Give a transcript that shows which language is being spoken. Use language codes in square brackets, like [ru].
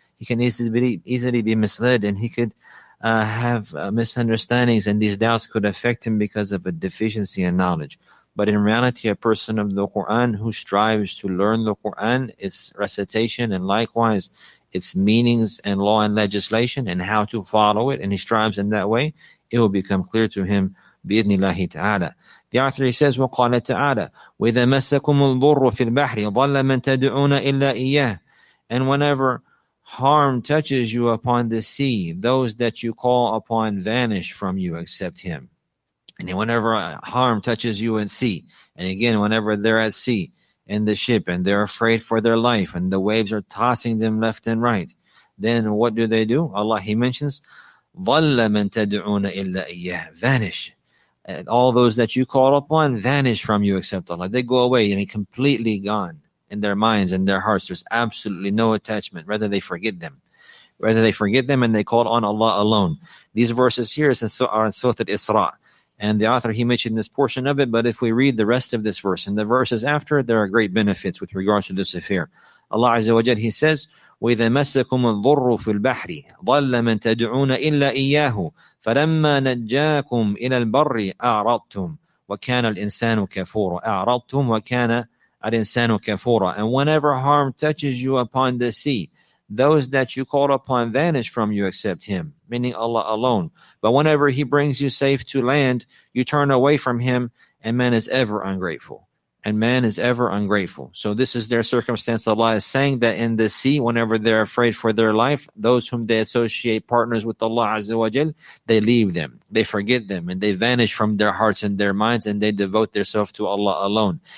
[en] He can easily be misled, and he could have misunderstandings, and these doubts could affect him because of a deficiency in knowledge. But in reality, a person of the Qur'an who strives to learn the Qur'an, its recitation, and likewise its meanings and law and legislation and how to follow it, and he strives in that way, it will become clear to him, [ar] بِإِذْنِ اللَّهِ تَعَالَى. [en] The author, he says, [ar] وَقَالَ تَعَالَى وَإِذَا مَسَّكُمُ الضُّرُّ فِي الْبَحْرِ ضَلَّ مَنْ تَدْعُونَ إِلَّا إِيَّهِ. [en] And whenever harm touches you upon the sea, those that you call upon vanish from you except him. And whenever harm touches you in sea, and again, whenever they're at sea, in the ship, and they're afraid for their life, and the waves are tossing them left and right, then what do they do? Allah, He mentions, [ar] ضَلَّ مَن تَدْعُونَ إِلَّا إِيَّهِ, [en] vanish. And all those that you call upon vanish from you except Allah. They go away, and completely gone in their minds and their hearts. There's absolutely no attachment. Rather, they forget them. Rather, they forget them, and they call on Allah alone. These verses here are in Surah Al-Isra. And the author, he mentioned this portion of it, but if we read the rest of this verse and the verses after, there are great benefits with regards to this affair. Allah Azza wa Jal, He says, [ar] وَإِذَا مَسَّكُمُ الضُّرُّ فِي الْبَحْرِ ضَلَّ مَنْ تَدْعُونَ إِلَّا إِيَّاهُ فَلَمَّا نَجَّاكُمْ إِلَى الْبَرِّ أَعْرَضْتُمْ وَكَانَ الْإِنسَانُ كَفُورًا أَعْرَضْتُمْ وَكَانَ الْإِنسَانُ كَفُورًا. [en] And whenever harm touches you upon the sea, those that you call upon vanish from you except Him, meaning Allah alone. But whenever He brings you safe to land, you turn away from Him, and man is ever ungrateful. And man is ever ungrateful. So this is their circumstance. Allah is saying that in the sea, whenever they're afraid for their life, those whom they associate partners with Allah Azza wa Jal, they leave them, they forget them, and they vanish from their hearts and their minds, and they devote themselves to Allah alone.